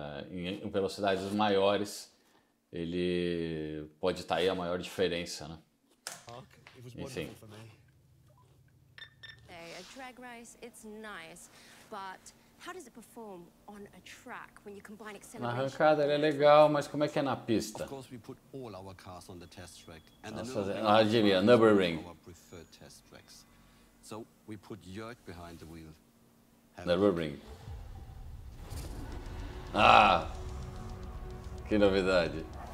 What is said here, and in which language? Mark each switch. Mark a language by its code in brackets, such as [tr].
[pt] Em velocidades maiores, ele pode estar aí a maior diferença, né? Enfim. [en] Drag race, it's nice, but how does it perform on a track when you combine acceleration? [pt] Na arrancada ele é legal, mas como é que é na pista? [en] Of course, we put all our cars on the test track, and Nürburgring. Our preferred test tracks. So we put Jörg behind the wheel. Nürburgring. [pt] Ah, que novidade!